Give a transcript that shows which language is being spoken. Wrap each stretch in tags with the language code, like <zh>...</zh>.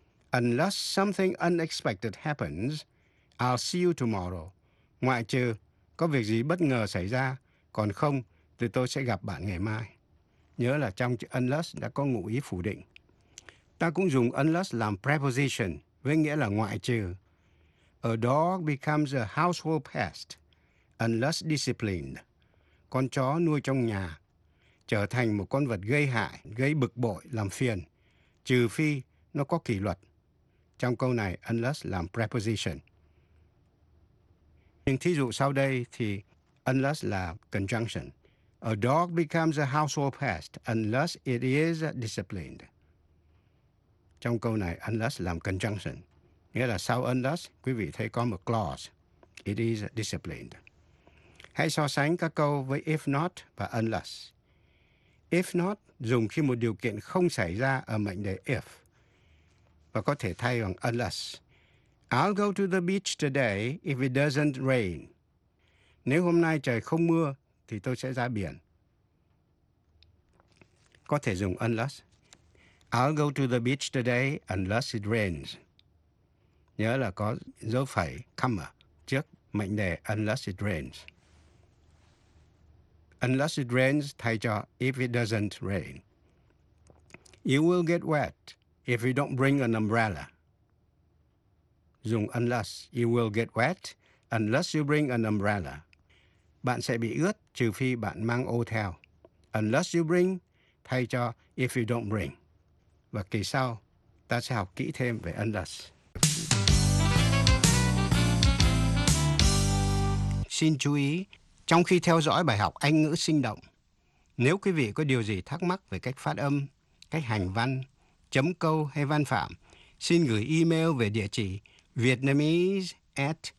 <en>Unless something unexpected happens, I'll see you tomorrow.</en> <vi>Ngoại trừ có việc gì bất ngờ xảy ra, còn không thì tôi sẽ gặp bạn ngày mai. Nhớ là trong chữ unless đã có ngụ ý phủ định. Ta cũng dùng unless làm preposition, với nghĩa là ngoại trừ.</vi> <en>A dog becomes a household pest unless disciplined.</en> <vi>Con chó nuôi trong nhà trở thành một con vật gây hại, gây bực bội, làm phiền, trừ phi nó có kỷ luật. Trong câu này, unless làm preposition. Nhưng thí dụ sau đây thì unless là conjunction.</vi> <en>A dog becomes a household pest unless it is disciplined.</en> <vi>Trong câu này, unless làm conjunction. Nghĩa là sau unless, quý vị thấy có một clause.</vi> <en>It is disciplined.</en> <vi>Hãy so sánh các câu với if not và unless. If not dùng khi một điều kiện không xảy ra ở mệnh đề if. Và có thể thay bằng unless.</vi> <en>I'll go to the beach today if it doesn't rain.</en> <vi>Nếu hôm nay trời không mưa, thì tôi sẽ ra biển. Có thể dùng unless.</vi> <en>I'll go to the beach today unless it rains.</en> <vi>Nhớ là có dấu phẩy comma trước mệnh đề</vi> <en>unless it rains. Unless it rains</en> <vi>thay cho</vi> <en>if it doesn't rain. You will get wet if you don't bring an umbrella.</en> <vi>Dùng</vi> <en>unless. You will get wet unless you bring an umbrella.</en> <vi>Bạn sẽ bị ướt trừ phi bạn mang ô theo.</vi> <en>Unless you bring</en> <vi>thay cho</vi> <en>if you don't bring.</en> <vi>Và kỳ sau, ta sẽ học kỹ thêm về unless. Xin chú ý, trong khi theo dõi bài học Anh ngữ sinh động, nếu quý vị có điều gì thắc mắc về cách phát âm, cách hành văn, chấm câu hay văn phạm, xin gửi email về địa chỉ vietnamese at</vi>